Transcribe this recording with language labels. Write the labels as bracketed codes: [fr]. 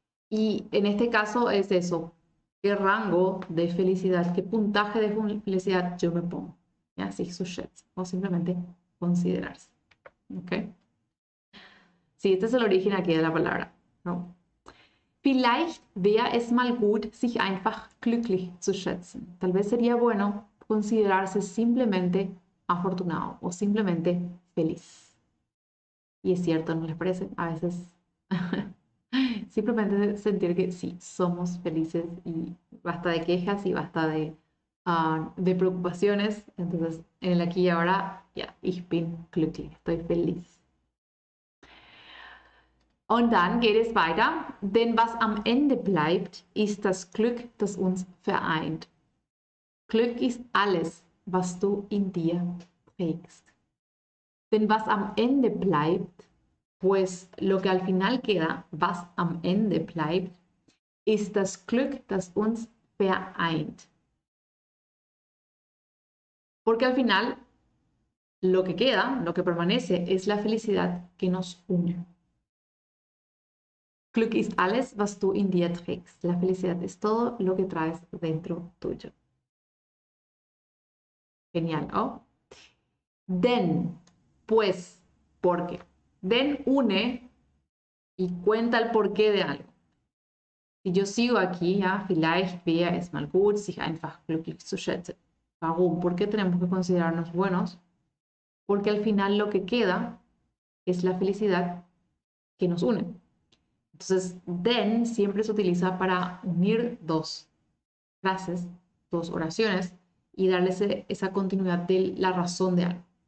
[es] Y en este caso es eso, ¿qué rango de felicidad, qué puntaje de felicidad yo me pongo? Y así sucede, o simplemente considerarse. ¿Okay? Sí, este es el origen aquí de la palabra, ¿no? [de] Vielleicht wäre es mal gut, sich einfach glücklich zu schätzen. [es] Tal vez sería bueno considerarse simplemente afortunado o simplemente feliz. Y es cierto, ¿no les parece? A veces. Simplemente sentir que sí, somos felices y basta de quejas y basta de preocupaciones. Entonces, en el aquí y ahora, [de] ich bin glücklich, [es] estoy feliz. [de] Und dann geht es weiter, denn was am Ende bleibt, ist das Glück, das uns vereint. Glück ist alles, was du in dir trägst. Denn was am Ende bleibt, [es] pues lo que al final queda, [de] was am Ende bleibt, ist das Glück, das uns vereint. [es] Porque al final lo que queda, lo que permanece, es la felicidad que nos une. [de] Glück ist alles, was du in dir trägst. [es] La felicidad es todo lo que traes dentro tuyo. Genial, ¿no? Den, pues, porque. Den une y cuenta el porqué de algo. Si yo sigo aquí, ¿ya? [de] Vielleicht wäre es mal gut, sich einfach glücklich zu schätzen. [es] ¿Por qué tenemos que considerarnos buenos? Porque al final lo que queda es la felicidad que nos une. Entonces, den siempre se utiliza para unir dos frases, dos oraciones y darle esa continuidad de la razón de algo.